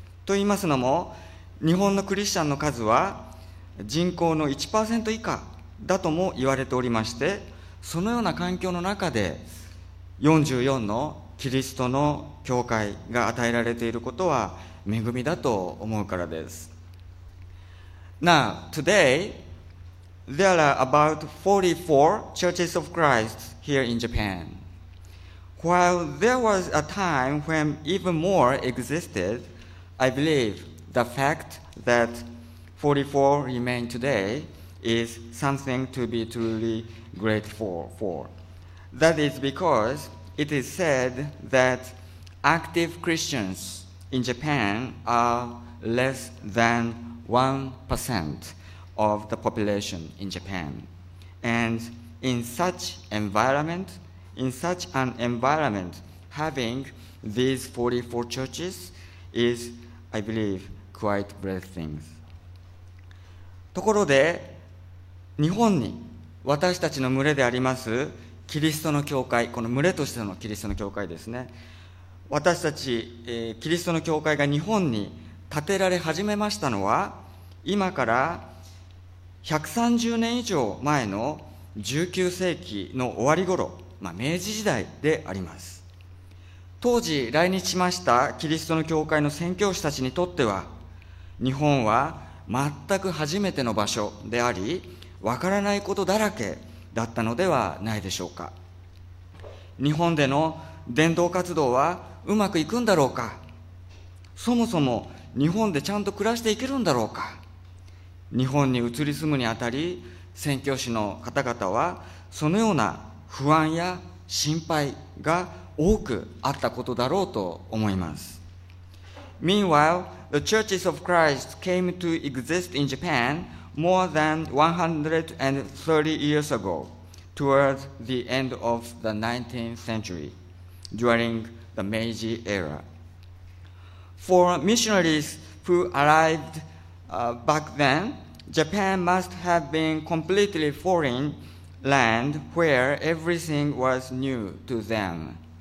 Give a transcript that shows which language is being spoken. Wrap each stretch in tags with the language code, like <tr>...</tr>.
<ja>と言いますのも、日本のクリスチャンの数は人口の 1% 以下だとも言われておりまして、そのような環境の中で44のキリストの教会が与えられていることは恵みだと思うからです。</ja> <en>Now, today there are about 44 churches of Christ here in Japan. While there was a time when even more existed, I believe the fact that 44 remain today is something to be truly grateful for. That is because it is said that active Christians in Japan are less than 1% of the population in Japan. And in such environment, in such an environment, having these 44 churches is, I believe, quite blessing.</en> <ja>ところで、日本に私たちの群れでありますキリストの教会、この群れとしてのキリストの教会ですね、私たち、キリストの教会が日本に建てられ始めましたのは今から130年以上前の19世紀の終わり頃、明治時代であります。当時来日しましたキリストの教会の宣教師たちにとっては、日本は全く初めての場所であり、わからないことだらけだったのではないでしょうか。日本での伝道活動はうまくいくんだろうか、そもそも日本でちゃんと暮らしていけるんだろうか。日本に移り住むにあたり、宣教師の方々はそのような不安や心配が多くあったことだろうと思います。</ja> <en>Meanwhile, the churches of Christ came to exist in Japan more than 130 years ago towards the end of the 19th century during the Meiji era. For missionaries who arrived back then, Japan must have been completely foreign land where everything was new to them.</en>